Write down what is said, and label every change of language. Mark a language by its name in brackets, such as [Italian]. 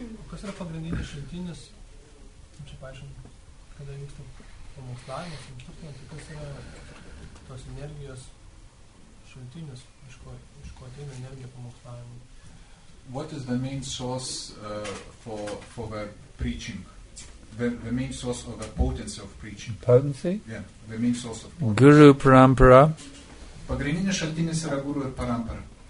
[Lithuanian] Kas yra pagrindinis šaltinis, čia paaiškinti, kada vyksta pamokslavimas, kas yra tos energijos šaltinis, iš ko ateina energija pamokslavimui? [English] What is the main source for the preaching? The main source of the potency of preaching. Potency? Yeah, the main source of potency. Guru Parampara. [Lithuanian] Pagrindinis šaltinis yra Guru ir Parampara.